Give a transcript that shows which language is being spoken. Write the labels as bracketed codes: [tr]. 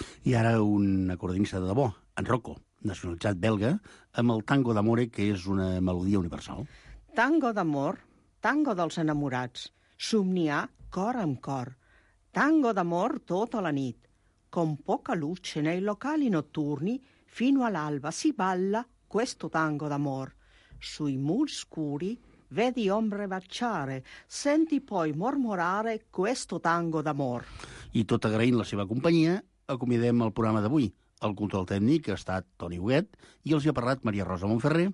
[ca] I ara un acordeonista de debò, en Rocco, nacionalitzat belga, amb el tango d'amore, que és una melodia universal. Tango d'amor, tango dels enamorats. Somniar cor amb cor. Tango d'amor tota la nit. [it] Con poca luce nei locali notturni, fino all'alba si balla questo tango d'amor. Sui muri scuri, vedi ombre baciare, senti poi mormorare questo tango d'amor. [ca] I tot agraint la seva companyia, acomiadem el programa d'avui, El control tècnic ha estat Toni Huguet i els hi ha parlat Maria Rosa Montferrer.